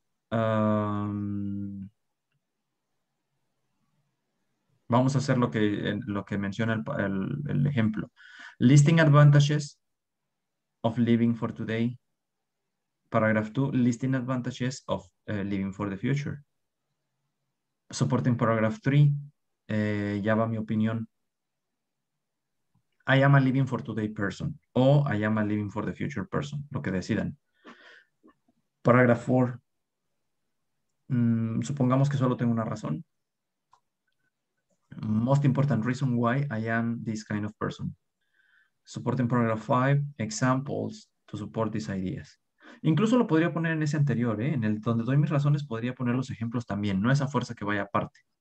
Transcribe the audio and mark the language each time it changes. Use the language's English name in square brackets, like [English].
[Spanish] Vamos a hacer lo que menciona el ejemplo. [English] Listing advantages of living for today. Paragraph 2, listing advantages of living for the future. Supporting paragraph 3, [Spanish] ya va mi opinión. [English] I am a living for today person o I am a living for the future person, [Spanish] lo que decidan. [English] Paragraph 4. [Spanish] Supongamos que solo tengo una razón. [English] Most important reason why I am this kind of person. Supporting paragraph 5, examples to support these ideas. [Spanish] Incluso lo podría poner en ese anterior, ¿eh? En el donde doy mis razones, podría poner los ejemplos también, no esa fuerza que vaya aparte.